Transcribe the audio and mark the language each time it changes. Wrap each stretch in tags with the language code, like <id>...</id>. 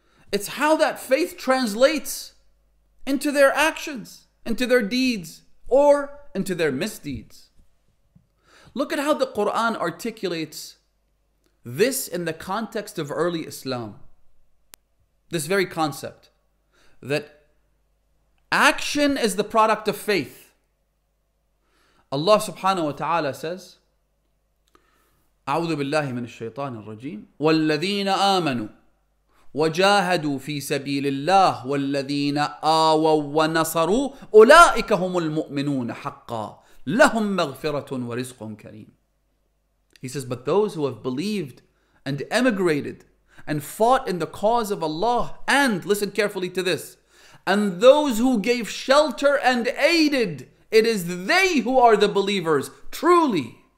<en>It's how that faith translates into their actions, into their deeds, or into their misdeeds. Look at how the Quran articulates this in the context of early Islam. This very concept that action is the product of faith. Allah subhanahu wa ta'ala says,</en> <ar>أعوذ بالله من الشيطان الرجيم والذين آمنوا وجاهدوا في سبيل الله والذين آووا ونصروا أولئك هم المؤمنون حقا لهم مغفرة ورزق كريم.</ar> <en>He says, but those who have believed and emigrated and fought in the cause of Allah, and listen carefully to this, and those who gave shelter and aided, it is they who are the believers, truly.</en>